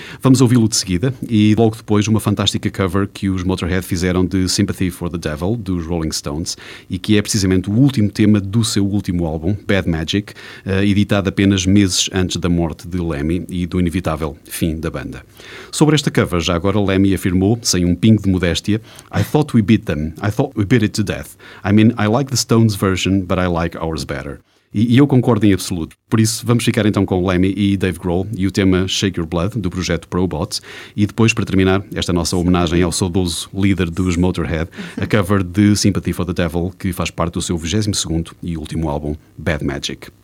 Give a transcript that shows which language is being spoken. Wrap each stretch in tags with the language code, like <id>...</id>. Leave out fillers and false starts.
<pt>Vamos ouvi-lo de seguida e logo depois uma fantástica cover que os Motorhead fizeram de Sympathy for the Devil, dos Rolling Stones, e que é precisamente o último tema do seu último álbum, Bad Magic, editado apenas meses antes da morte de Lemmy e do inevitável fim da banda. Sobre esta cover, já agora Lemmy afirmou, sem um pingo de modéstia,</pt> <en>"I thought we beat them. I thought we beat it to death. I mean, I like the Stones version, but I like ours better."</en> <pt>E eu concordo em absoluto. Por isso, vamos ficar então com Lemmy e Dave Grohl e o tema Shake Your Blood, do projeto Probot. E depois, para terminar, esta nossa homenagem ao saudoso líder dos Motorhead, a cover de Sympathy for the Devil, que faz parte do seu 22º e último álbum, Bad Magic.</pt>